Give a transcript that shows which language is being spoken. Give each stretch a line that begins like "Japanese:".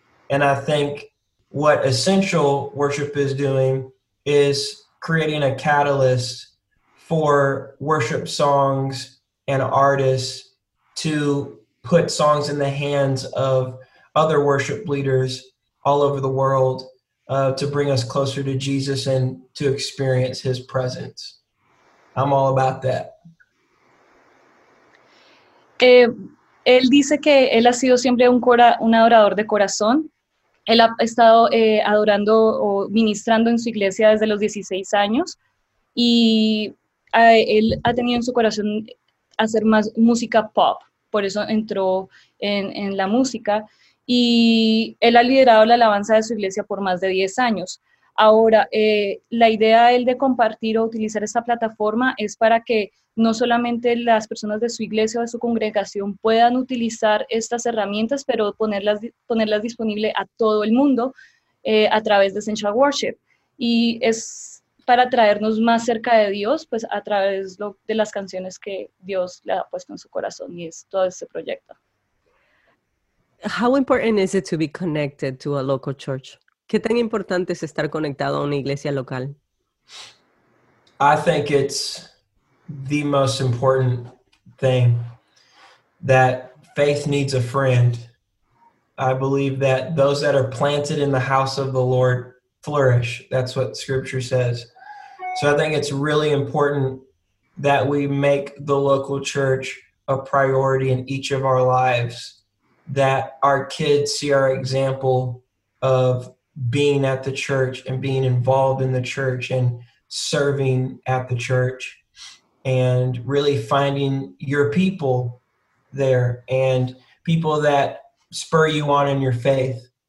English: And I think what Essential Worship is doing is creating a catalyst for worship songs and artists to put songs in the hands of other worship leaders all over the world to bring us closer to Jesus and to experience his presence. I'm all about that.
Spanish: Él dice que él ha sido siempre un adorador de corazón. Él ha estado adorando o ministrando en su iglesia desde los 16 años y él ha tenido en su corazón hacer más música pop, por eso entró en la música y él ha liderado la alabanza de su iglesia por más de 10 años. Ahora, la idea de él de compartir o utilizar esta plataforma es para que no solamente las personas de su iglesia o de su congregación puedan utilizar estas herramientas, pero ponerlas disponibles a todo el mundo a través de Essential Worship. Y es para traernos más cerca de Dios, pues a través de las canciones que Dios le ha puesto en su corazón y es todo este proyecto.
English: How important is it to be connected to a local church?
Spanish: ¿Qué tan importante es estar conectado a una iglesia local?
English: I think it's the most important thing, that faith needs a friend. I believe that those that are planted in the house of the Lord flourish. That's what scripture says. So I think it's really important that we make the local church a priority in each of our lives, that our kids see our example of being at the church and being involved in the church and serving at the church and really finding your people there and people that spur you on in your faith.